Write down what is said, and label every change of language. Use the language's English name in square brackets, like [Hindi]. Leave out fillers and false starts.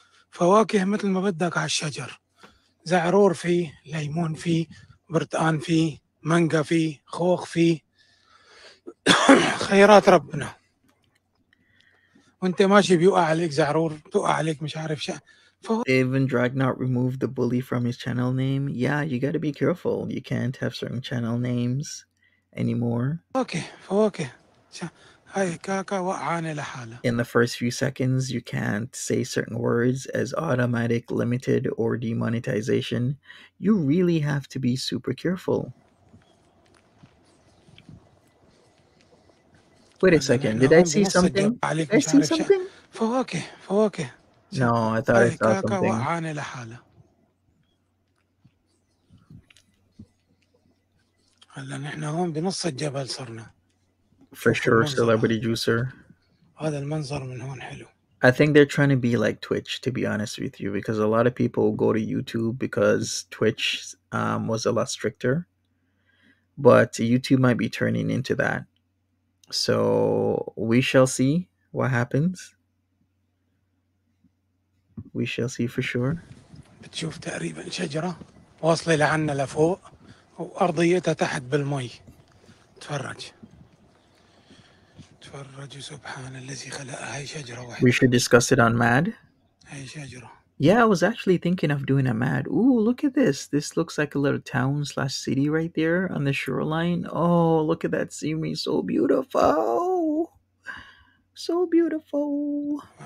[Arabic] فواكه مثل ما بدك على الشجر. زعرور فيه، ليمون فيه، برتقان فيه، مانجا فيه، خوخ فيه. خيرات ربنا. وانت ماشي بيوقع عليك زعرور بتوقع عليك مش عارف شو. [English] Even Dragnaut removed the bully from his channel name. Yeah, you gotta be careful. You can't have certain channel names anymore. Okay, okay. [Arabic] هاي كاكا وقعانة لحالة. [English] In the first few seconds, you can't say certain words as automatic, limited, or demonetization. You really have to be super careful. Wait a second, did I see something? Did I see something? [Arabic] فواكه فواكه. [English] No, I thought I saw something. [Arabic] وقعانة لحالة. هلا نحن هون بنص الجبل صرنا. [English] For sure, celebrity juicer. [Arabic] هذا المنظر من هون حلو. [English] I think they're trying to be like Twitch, to be honest with you, because a lot of people go to YouTube because Twitch was a lot stricter. But YouTube might be turning into that. So we shall see what happens. We shall see for sure. [Arabic] بتشوف تقريبا شجرة واصلة لعنا لفوق وأرضيتها تحت بالمي. تفرج. تفرج سبحان الذي خلق هاي شجرة واحدة. [English] We should discuss it on MAD. [Arabic] هاي شجرة. [English] Yeah, I was actually thinking of doing a MAD. Ooh, look at this. This looks like a little town slash city right there on the shoreline. Oh, look at that scenery. So beautiful. So beautiful.